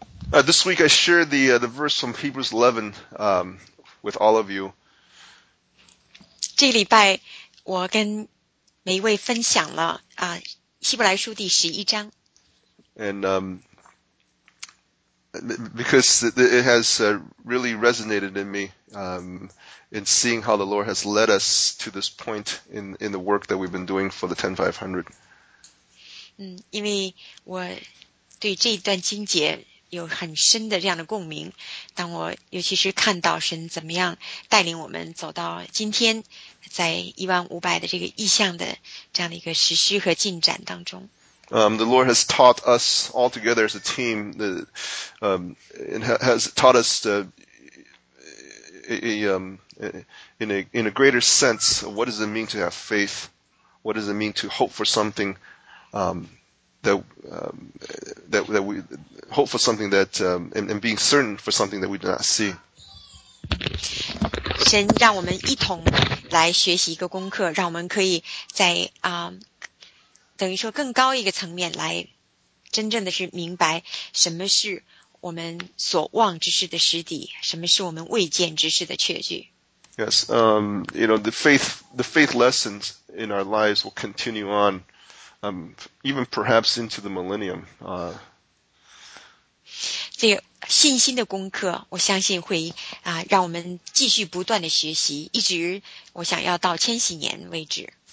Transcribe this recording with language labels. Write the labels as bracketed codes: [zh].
[en] This week I shared the verse from Hebrews 11 with all of you. [zh] 这礼拜我跟每一位分享了希伯来书第十一章。 [en] And because it has really resonated in me in seeing how the Lord has led us to this point in the work that we've been doing for the 10500. [zh] 因为我对这一段经节有很深的这样的共鸣，当我尤其是看到神怎么样带领我们走到今天，在1500的这个意向的这样的一个实施和进展当中。 [en] The Lord has taught us all together as a team, has taught us in a greater sense of what does it mean to have faith, what does it mean to hope for something that we hope for something that and being certain for something that we do not see. [zh] 神让我们一同来学习一个功课，让我们可以在等于说更高一个层面来真正的是明白什么是我们所望之事的实底，什么是我们未见之事的确据。 [en] Yes, you know the faith lessons in our lives will continue on, even perhaps into the millennium. [zh] 这个信心的功课，我相信会让我们继续不断的学习，一直我想要到千禧年为止。